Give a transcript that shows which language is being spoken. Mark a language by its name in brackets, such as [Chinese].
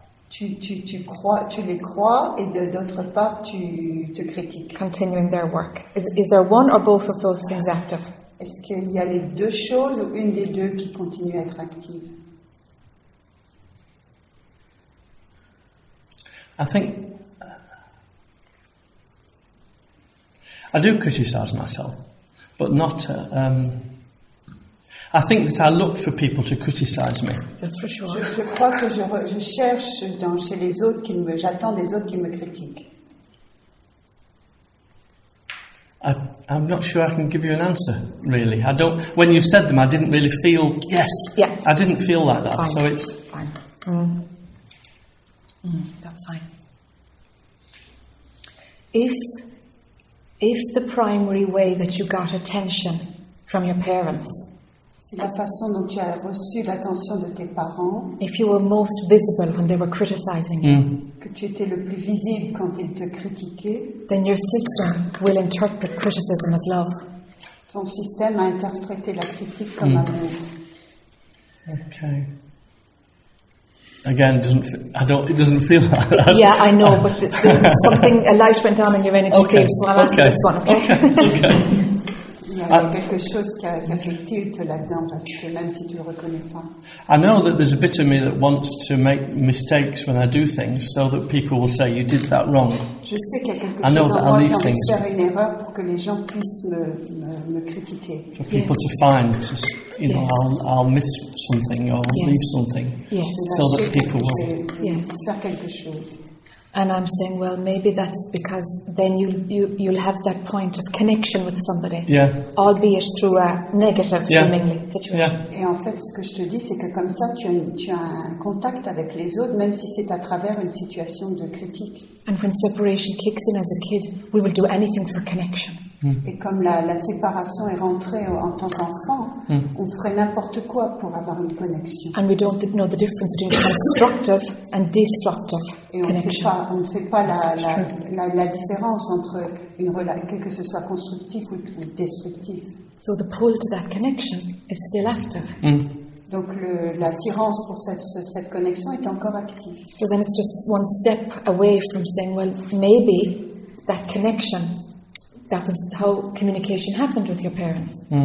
[French] Tu les crois et de d'autre part tu te critiques. [English] Continuing their work. Is there one or both of those things active? [French] Est-ce qu'il y a les deux choses ou une des deux qui continue à être active? [English] I think I do criticize myself, but not. I think that I look for people to criticize me. That's for sure. [French] Je crois que je cherche chez les autres j'attends des autres qui me critiquent. [English] I'm not sure I can give you an answer, really. I don't. When you said them, I didn't really feel yes. Yeah. I didn't feel like that. Fine. So it's fine. That's fine. If the primary way that you got attention from your parents. [French] Si la façon dont tu as reçu l'attention de tes parents, [English] if you were most visible when they were criticizing you, [French] que tu étais le plus visible quand ils te critiquaient, [English] then your system will interpret criticism as love. [French] Ton système a interprété la critique comme amour. [English] Okay. Again, it doesn't feel like that. Yeah, I know, but something a light went on in your energy field, so I'll ask this one, okay? Okay. I know that there's a bit of me that wants to make mistakes when I do things so that people will say, you did that wrong. [French] Je sais qu'il y a quelque chose [English] I know that I leave things. For people to find, I'll miss something or leave something so that people will. And I'm saying, well, maybe that's because then you'll have that point of connection with somebody. Yeah. Albeit through a negative, seemingly, situation. Yeah. [French] Et en fait, ce que je te dis, c'est que comme ça, tu as un contact avec les autres, même si c'est à travers une situation de critique. [English] And when separation kicks in as a kid, we will do anything for connection. [French] Et comme la séparation est rentrée en tant qu'enfant, on ferait n'importe quoi pour avoir une connexion. [English] And we don't know the difference between constructive and destructive connection. [French] Et on ne fait pas la différence entre que ce soit constructif ou destructif. [English] So the pull to that connection is still active. [French] Donc l'attirance pour cette connexion est encore active. [English] So then it's just one step away from saying, well, maybe that connection. That was how communication happened with your parents.